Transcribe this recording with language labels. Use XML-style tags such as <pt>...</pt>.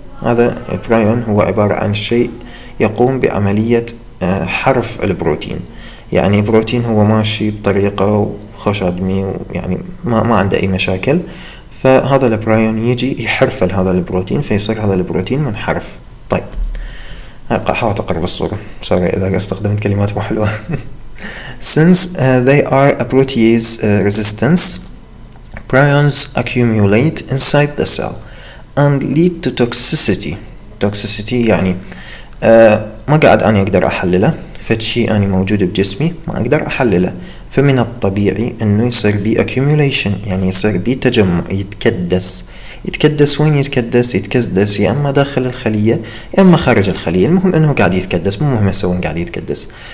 <ar>هذا البرايون هو عبارة عن شيء يقوم بعملية حرف البروتين، يعني البروتين هو ماشي بطريقة خشادمي، يعني ما عنده أي مشاكل، فهذا البرايون يجي يحرف هذا البروتين فيصير هذا البروتين منحرف. طيب حاول تقرب الصورة، سوري إذا استخدمت كلمات مو حلوة.</ar> <en>Since they are a protease resistance, prions accumulate inside the cell and lead to toxicity.</en> <ar>Toxicity يعني ما قاعد أنا أقدر أحلله، فشي أنا موجود بجسمي ما أقدر أحلله، فمن الطبيعي إنه يصير بي accumulation، يعني يصير بي تجمع، يتكدس. يتكدس وين يتكدس؟ يتكدس يا اما داخل الخلية يا اما خارج الخلية، المهم انه قاعد يتكدس، مو مهم اسوين قاعد يتكدس.</ar>